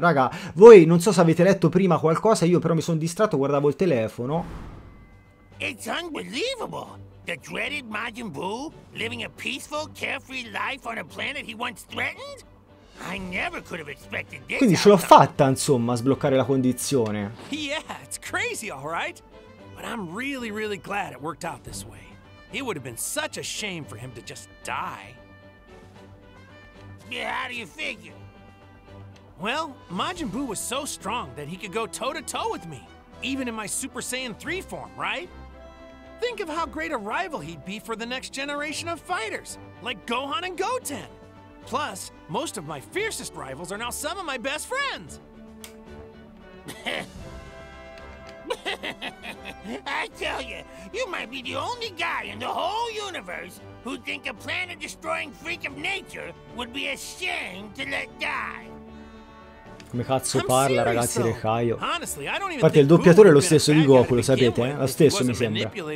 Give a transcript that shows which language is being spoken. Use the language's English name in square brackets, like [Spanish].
[Italian] Raga, voi non so se avete letto prima qualcosa, io però mi sono distratto, guardavo il telefono. [English] It's unbelievable! The dreaded Majin Buu living a peaceful, carefree life on a planet he once threatened? I never could have expected this. [Italian] Quindi ce l'ho fatta, insomma, a sbloccare la condizione. [English] Yeah, it's crazy, alright? But I'm really, really glad it worked out this way. It would have been such a shame for him to just die. Yeah, how do you figure? Well, Majin Buu was so strong that he could go toe-to-toe with me, even in my Super Saiyan 3 form, right? Think of how great a rival he'd be for the next generation of fighters, like Gohan and Goten. Plus, most of my fiercest rivals are now some of my best friends. I tell you, you might be the only guy in the whole universe who'd think a planet-destroying freak of nature would be a shame to let die. [Italian] Come cazzo parla, ragazzi, De Caio? Infatti il doppiatore è lo stesso di Goku, lo sapete, eh? Lo stesso, mi sembra.